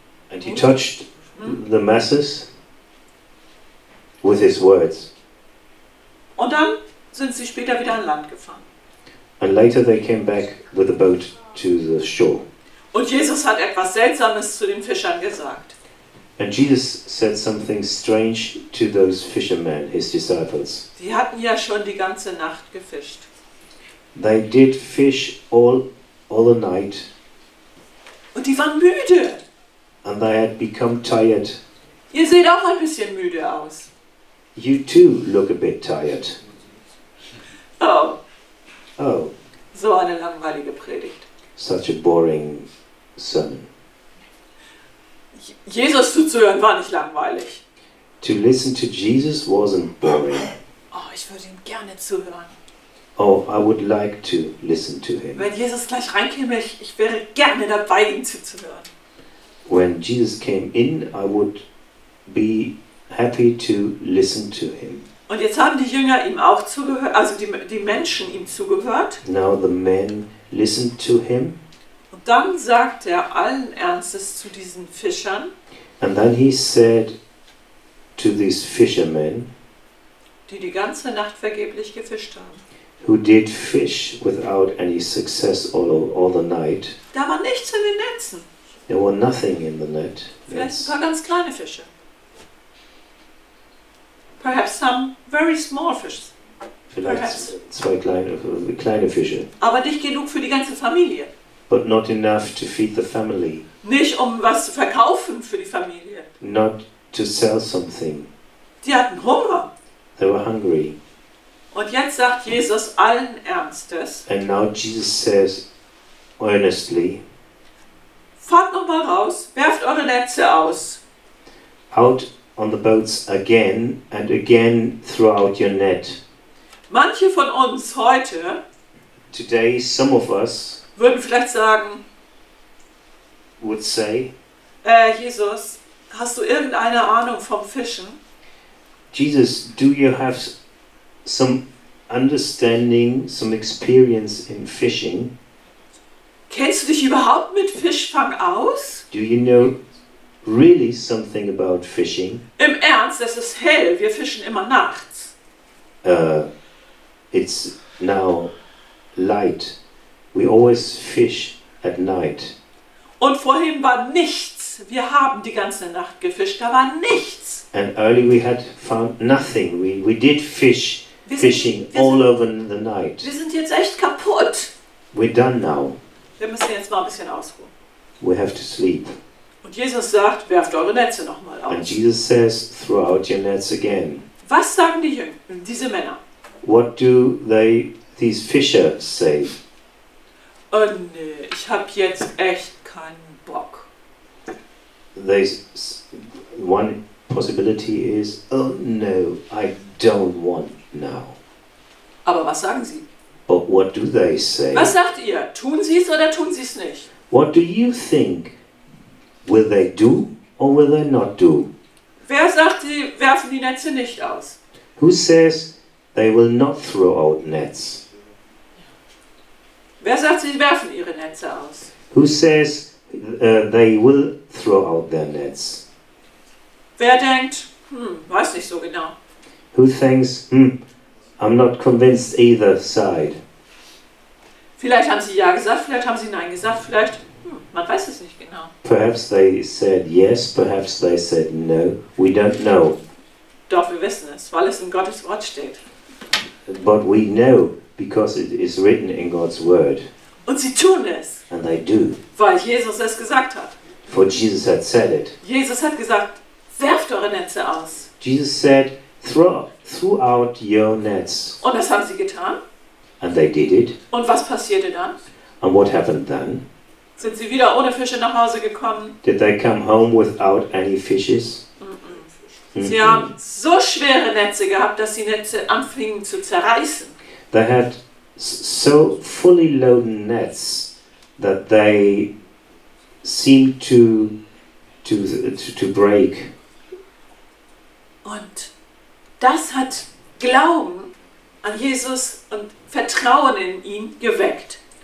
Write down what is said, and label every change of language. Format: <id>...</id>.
<en>And he touched the masses with his words.</en> <de>Und dann sind sie später wieder an Land gefahren.</de> <en>And later they came back with the boat to the shore.</en> <de>Und Jesus hat etwas Seltsames zu den Fischern gesagt.</de> <en>And Jesus said something strange to those fishermen, his disciples.</en> <de>Die hatten ja schon die ganze Nacht gefischt.</de> <en>They did fish all the night.</en> <de>Und die waren müde.</de> <en>And they had become tired.</en> <de>Ihr seht auch ein bisschen müde aus.</de> <en>You too look a bit tired. Oh. Oh.</en> <de>So eine langweilige Predigt.</de> <en>Such a boring sermon.</en> <de>Jesus zuzuhören war nicht langweilig.</de> <en>To listen to Jesus wasn't boring.</en> <de>Oh, ich würde ihm gerne zuhören.</de> <en>Oh, I would like to listen to him.</en> <de>Wenn Jesus gleich reinkäme, ich wäre gerne dabei, ihm zuzuhören.</de> <en>When Jesus came in, I would be happy to listen to him.</en> <de>Und jetzt haben die Jünger ihm auch zugehört, also die Menschen ihm zugehört.</de> <en>Now the men listened to him.</en> <de>Und dann sagt er allen Ernstes zu diesen Fischern.</de> <en>And then he said to these fishermen,</en> <de>die ganze Nacht vergeblich gefischt haben.</de> <en>Who did fish without any success all the night.</en> <de>Da war nichts in den Netzen.</de> <en>There were nothing in the net.</en> <de>Vielleicht ein paar ganz kleine Fische.</de> <en>Perhaps some very small fish.</en> <de>Vielleicht zwei kleine Fische. Aber nicht genug für die ganze Familie.</de> <en>But not enough to feed the family.</en> <de>Nicht um was zu verkaufen für die Familie.</de> <en>Not to sell something.</en> <de>Die hatten Hunger.</de> <en>They were hungry.</en> <de>Und jetzt sagt Jesus allen Ernstes.</de> <en>And now Jesus says earnestly.</en> <de>Fahrt nochmal raus, werft eure Netze aus.</de> <en>Out on the boats again and again throw out your net.</en> <de>Manche von uns heute,</de> <en>today some of us,</en> <de>würden vielleicht sagen,</de> <en>would say,</en> <de>Jesus, hast du irgendeine Ahnung vom Fischen?</de> <en>Jesus, do you have some understanding, some experience in fishing?</en> <de>Kennst du dich überhaupt mit Fischfang aus?</de> <en>Do you know really something about fishing?</en> <de>Im Ernst, es ist hell, wir fischen immer nachts.</de> <en>It's now light. We always fish at night.</en> <de>Und vorhin war nichts. Wir haben die ganze Nacht gefischt, da war nichts.</de> <en>And early we had found nothing. We did fish, fishing all over the night.</en> <de>Wir sind jetzt echt kaputt.</de> <en>We're done now.</en> <de>Wir müssen jetzt mal ein bisschen ausruhen.</de> <en>We have to sleep.</en> <de>Und Jesus sagt, werft eure Netze nochmal aus.</de> <en>And Jesus says, throw out your nets again.</en> <de>Was sagen die Jünger, diese Männer?</de> <en>What do they, these fisher say?</en> <de>Oh nee, ich habe jetzt echt keinen Bock.</de> <en>There's one possibility is, oh no, I don't want now.</en> <de>Aber was sagen sie?</de> <en>But what do they say?</en> <de>Was sagt ihr? Tun sie es oder tun sie es nicht?</de> <en>What do you think? Will they do or will they not do?</en> <de>Wer sagt, sie werfen die Netze nicht aus?</de> <en>Who says they will not throw out nets?</en> <de>Wer sagt, sie werfen ihre Netze aus?</de> <en>Who says they will throw out their nets?</en> <de>Wer denkt, weiß nicht so genau.</de> <en>Who thinks, I'm not convinced either side.</en> <de>Vielleicht haben sie ja gesagt, vielleicht haben sie nein gesagt, vielleicht, man weiß es nicht genau.</de> <en>Perhaps they said yes, perhaps they said no. We don't know.</en> <de>Doch, wir wissen es, weil es in Gottes Wort steht.</de> <en>But we know, because it is written in God's word.</en> <de>Und sie tun es.</de> <en>And they do.</en> <de>Weil Jesus es gesagt hat.</de> <en>For Jesus had said it.</en> <de>Jesus hat gesagt, werft eure Netze aus.</de> <en>Jesus said, throw out your nets.</en> <de>Und das haben sie getan.</de> <en>And they did it.</en> <de>Und was passierte dann?</de> <en>And what happened then?</en> <de>Sind sie wieder ohne Fische nach Hause gekommen?</de> <en>Did they come home without any fishes?</en> <de>Sie haben so schwere Netze gehabt, dass die Netze anfingen zu zerreißen.</de> <en>They had so fully loaded nets that they seemed to break.</en> <de>Und das hat Glauben an Jesus und Vertrauen in ihn geweckt.</de>